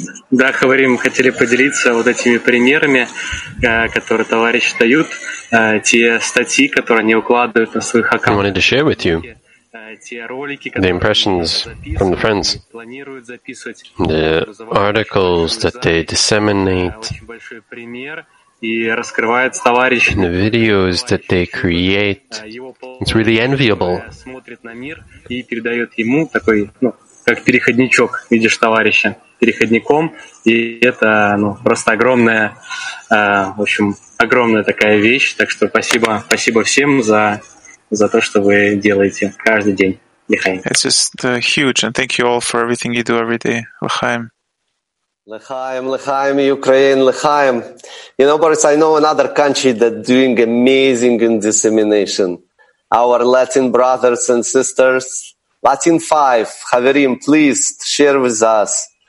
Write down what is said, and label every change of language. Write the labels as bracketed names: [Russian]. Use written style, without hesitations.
[Russian] Да, говорим, хотели поделиться вот этими примерами, которые товарищи дают, те статьи, которые они укладывают на своих аккаунтах. [English] I wanted to share with you the impressions from the friends, the articles that they disseminate, and the videos that they create. It's really enviable. [Russian] Смотрит на мир и передает ему такой, ну, как переходничок, видишь, товарища. Переходником, и это, ну, просто огромная, в общем, огромная такая вещь. Так что спасибо, спасибо всем за то, что вы делаете каждый день. [Hebrew] Лехаим. [English] It's just huge, and thank you all for everything you do every day. [Hebrew] Лехаим. Лехаим, Лехаим, Ukraine, Лехаим. [English] You know, Boris, I know another country that's doing amazing in dissemination. Our Latin brothers and sisters. Latin 5, Haverim, please share with us.